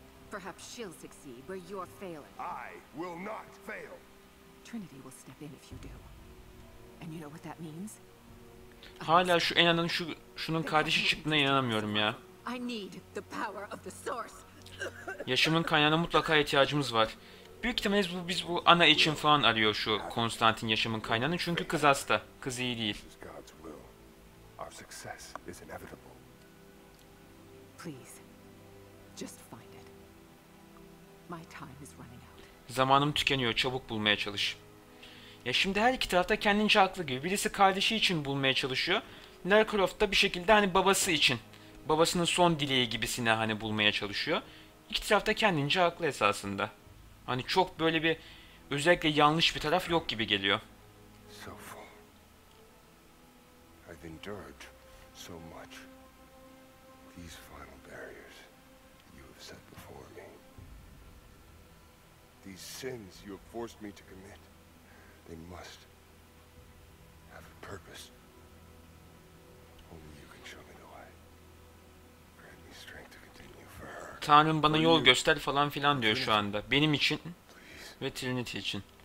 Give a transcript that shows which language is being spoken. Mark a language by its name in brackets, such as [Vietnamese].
[English] Perhaps she'll succeed where you're failing. I will not fail. Trinity will step in if you do. And you know what that means? [Turkish] Hala şu Enna'nın şunun kardeşi çıktığına inanamıyorum ya. [English] I need the power of the source. [Turkish] Yaşamın kaynağına mutlaka ihtiyacımız var. Büyük ihtimalle biz bu ana için falan arıyor şu Konstantin yaşamın kaynağını, çünkü kız hasta. Kız iyi değil. [English] Our success is inevitable. Please. Just find. My time is running out. [Turkish] Zamanım tükeniyor, çabuk bulmaya çalış. Ya şimdi her iki tarafta kendince haklı gibi. Birisi kardeşi için bulmaya çalışıyor. Lara Croft da bir şekilde hani babası için. Babasının son dileği gibisine hani bulmaya çalışıyor. İki tarafta kendince haklı esasında. Hani çok böyle bir özellikle yanlış bir taraf yok gibi geliyor. [English] So far. I've endured so much. These final barriers you have set before me. These sins you have forced me to commit, they must have a purpose. Only you can show me the way. Grant me strength to continue for her. [Turkish] Tanrım bana yol göster falan filan diyor şu anda. Benim için ve Trinity için.